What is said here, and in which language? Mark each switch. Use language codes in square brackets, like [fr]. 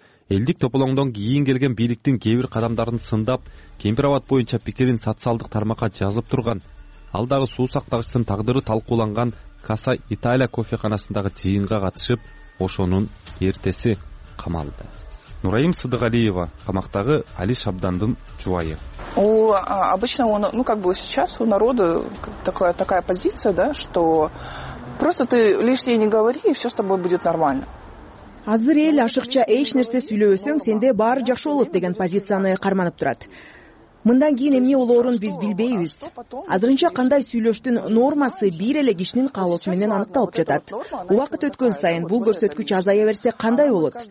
[ky] Элдик тополоңдон кийин келген бийликтин кээ бир кадамдарын сындап, Кемпир абад боюнча пикирин социалдык тармакка жазып турган. Ал дагы суу сактагычтын тагдыры талкууланган Каса Италия кофеканасындагы жыйынга катышып, ошонун эртеси камалды. Нурайым Сыдыгалиева камактагы Али Шабдандын жубайы. [ru] Обычно он, ну как бы сейчас у народа такая позиция, да, что просто ты лишнее не говори, и все с тобой будет нормально. [ky] Азыр эл ашыкча эч нерсе сүйлөбөсөң, сенде баары жакшы болот деген позицияны карманып турат. Мындан кийин эмне болорун биз билбейбиз. Азырынча кандай сүйлөштүн нормасы бир эле кишинин каалоосу менен аныкталып жатат. Убакыт өткөн сайын бул көрсөткүч азая берсе кандай болот?